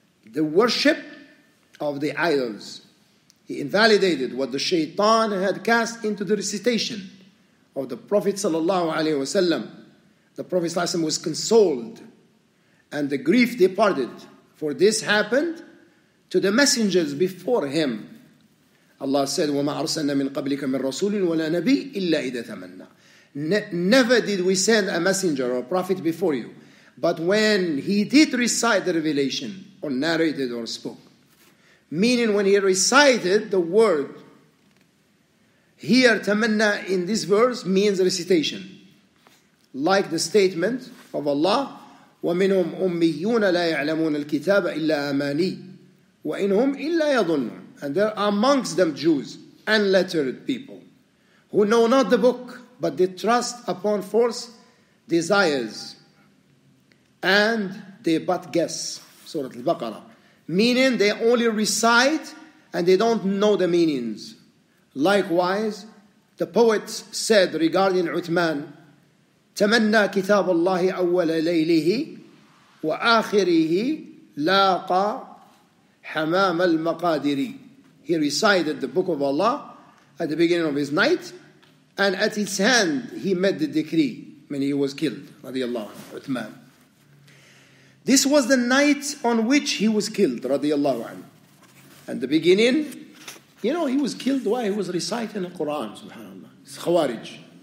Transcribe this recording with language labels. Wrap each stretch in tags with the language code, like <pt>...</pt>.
<en>The worship of the idols, he invalidated what the shaitan had cast into the recitation of the Prophet sallallahu alaihi wasallam. The Prophet sallallahu alaihi wasallam was consoled and the grief departed, for this happened to the messengers before him. Allah said,</en> <ar>وَمَا أَرْسَلْنَا مِنْ قَبْلِكَ مِنْ رَسُولٍ وَلَا نَبِيٍّ إِلَّا إِذَا تَمَنَّى.</ar> <en>Never did we send a messenger or a prophet before you, but when he did recite the revelation, or narrated or spoke. Meaning when he recited the word, here tamanna in this verse means recitation. Like the statement of Allah,</en> <ar>وَمِنْهُمْ أُمِّيُّونَ لَا يَعْلَمُونَ الْكِتَابَ إِلَّا أَمَانِيَّ وَإِنْهُمْ إِلَّا يَظُنُّونَ.</ar> <en>And there are amongst them Jews, unlettered people, who know not the book, but they trust upon false desires, and they but guess. Surah Al-Baqarah. Meaning they only recite, and they don't know the meanings. Likewise, the poet said regarding Uthman,</en> <ar>تَمَنَّى كِتَابَ اللَّهِ أَوَّلَ لَيْلِهِ وَآخِرِهِ لَاقَى حَمَامَ الْمَقَادِرِ.</ar> <en>He recited the book of Allah at the beginning of his night, and at its hand he met the decree when he was killed, radiallahu anhu, Uthman. This was the night on which he was killed, radiallahu anhu. And the beginning, you know, he was killed while he was reciting the Quran, subhanAllah. It's Khawarij.</en>